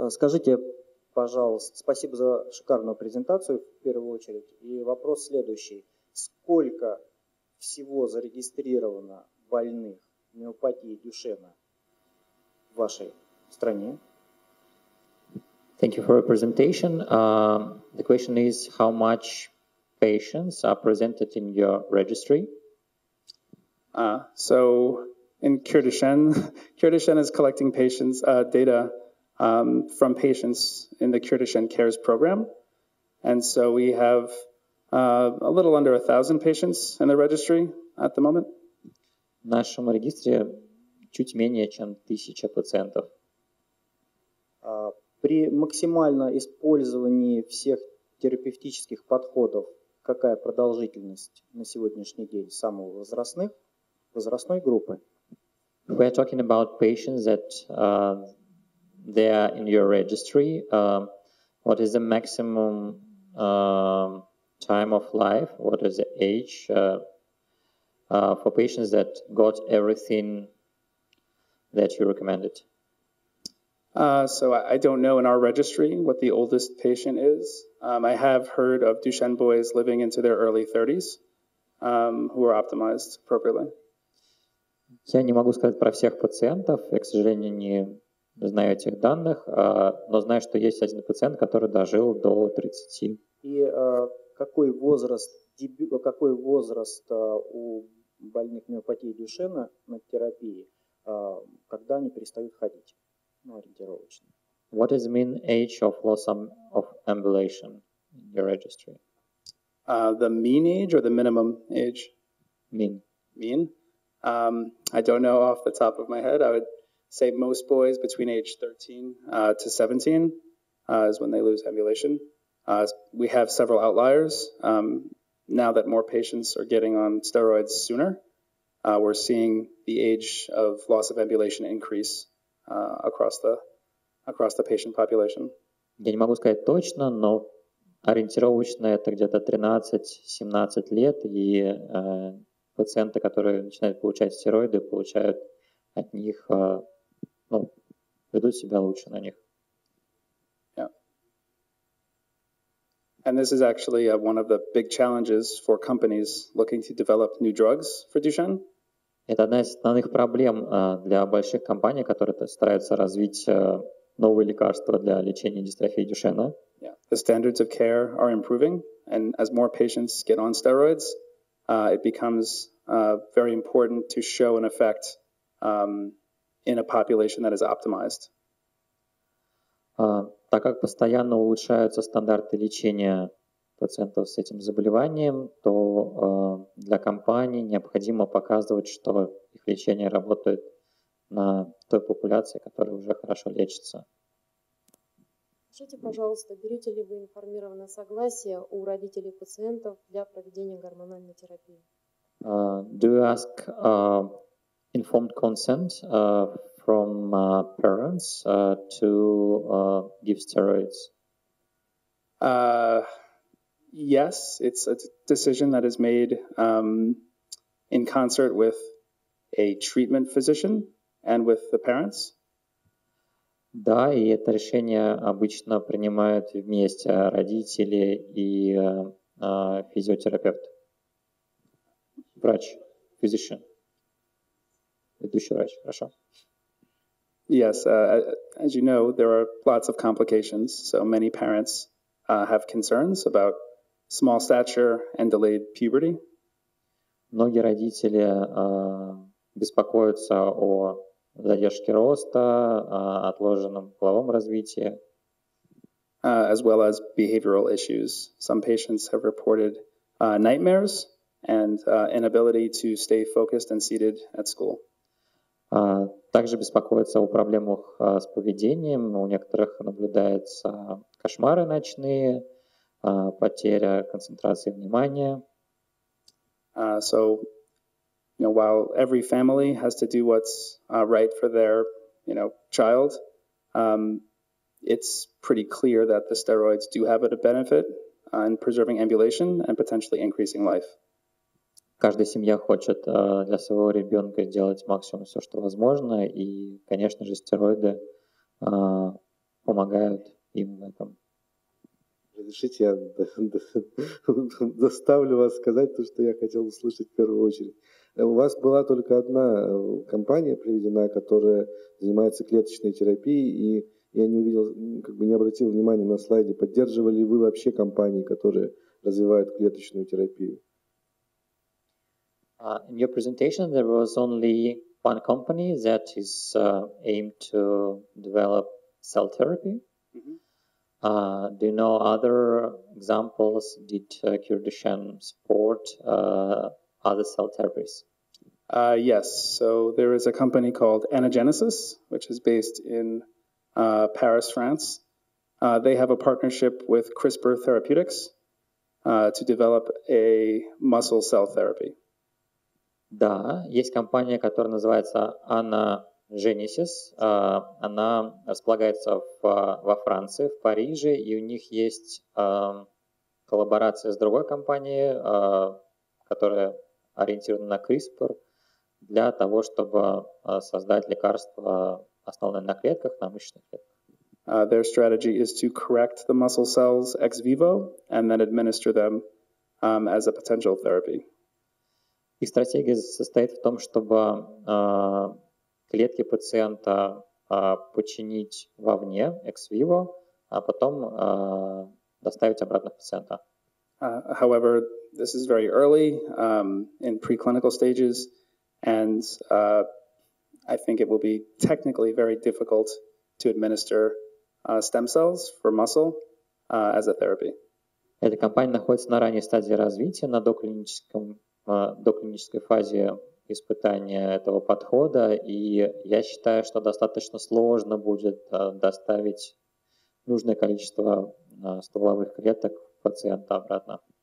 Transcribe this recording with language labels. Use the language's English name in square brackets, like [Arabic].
[Russian] Скажите, пожалуйста, спасибо за шикарную презентацию в первую очередь. И вопрос следующий. Сколько всего зарегистрировано больных миопатии Дюшена в вашей стране? [English] Thank you for your presentation. The question is, how much patients are presented in your registry? So in Cure Duchenne is collecting patients data from patients in the Cure Duchenne Cares program. And so we have a little under 1,000 patients in the registry at the moment. [Russian] В нашем регистре чуть менее, чем 1000 пациентов. При максимальном использовании всех терапевтических подходов, какая продолжительность на сегодняшний день самого возрастной группы? [English] We are talking about patients that they are in your registry. What is the maximum time of life? What is the age for patients that got everything that you recommended? So I don't know in our registry what the oldest patient is. I have heard of Duchenne boys living into their early 30s who are optimized appropriately. [Russian] Я не могу сказать про всех пациентов. Я, к сожалению, не знаю этих данных, но знаю, что есть один пациент, который дожил до 30. И какой возраст у больных миопатии Дюшена на терапии, когда они перестают ходить, ну, ориентировочно? [English] What is the mean age of loss of ambulation in your registry? The mean age or the minimum age? Mean. Mean? I don't know off the top of my head. I would say most boys between age 13 to 17 is when they lose ambulation. We have several outliers. Now that more patients are getting on steroids sooner, we're seeing the age of loss of ambulation increase across the patient population. [Russian] Я не могу сказать точно, но ориентировочно это где-то 13-17 лет, и пациенты, которые начинают получать стероиды, получают от них, ну, ведут себя лучше на них. [English] And this is actually one of the big challenges for companies looking to develop new drugs for Duchenne. [Russian] Это одна из основных проблем для больших компаний, которые стараются развить новые лекарства для лечения дистрофии Дюшенна. [English] Yeah. The standards of care are improving, and as more patients get on steroids, it becomes very important to show an effect in a population that is optimized. [Russian] Так как постоянно улучшаются стандарты лечения пациентов с этим заболеванием, то для компаний необходимо показывать, что их лечение работает на той популяции, которая уже хорошо лечится. Скажите, пожалуйста, берете ли вы информированное согласие у родителей пациентов для проведения гормональной терапии? [English] Do you ask informed consent from parents to give steroids? Yes, it's a decision that is made in concert with a treatment physician and with the parents. [Russian] Да, и это решение обычно принимают вместе родители и физиотерапевт. Врач, physician. Ведущий врач, хорошо. [English] Yes, as you know, there are lots of complications, so many parents have concerns about small stature and delayed puberty. [Russian] Многие родители беспокоятся о задержке роста, отложенном половом развитии. [English] As well as behavioral issues. Some patients have reported nightmares and inability to stay focused and seated at school. [Russian] Также беспокоятся о проблемах с поведением. У некоторых наблюдаются кошмары ночные, потеря концентрации внимания. [English] So, you know, while every family has to do what's right for their, you know, child, it's pretty clear that the steroids do have a benefit in preserving ambulation and potentially increasing life. [Russian] Каждая семья хочет для своего ребенка сделать максимум все, что возможно, и, конечно же, стероиды помогают им в этом. Разрешите, я заставлю вас сказать то, что я хотел услышать в первую очередь. У вас была только одна компания приведена, которая занимается клеточной терапией, и я не увидел, как бы не обратил внимания на слайде, поддерживали ли вы вообще компании, которые развивают клеточную терапию? [English] In your presentation, there was only one company that is aimed to develop cell therapy. Mm-hmm. Do you know other examples? Did Cure Duchenne support other cell therapies? Yes. So there is a company called Anagenesis, which is based in Paris, France. They have a partnership with CRISPR Therapeutics to develop a muscle cell therapy. [Russian] Да, есть компания, которая называется Anagenesis. Она располагается во Франции, в Париже, и у них есть коллаборация с другой компанией, которая ориентирована на CRISPR, для того, чтобы создать лекарство, основанное на клетках, на мышечных клетках. [English] Their strategy is to correct the muscle cells ex vivo and then administer them as a potential therapy. [Russian] Их стратегия состоит в том, чтобы клетки пациента починить вовне, ex vivo, а потом доставить обратно пациента. [English] However, this is very early in preclinical stages, and I think it will be technically very difficult to administer stem cells for muscle as a therapy. [Russian] Эта компания находится на ранней стадии развития, на доклинической фазе испытание этого подхода, и я считаю, что достаточно сложно будет доставить нужное количество стволовых клеток пациента обратно.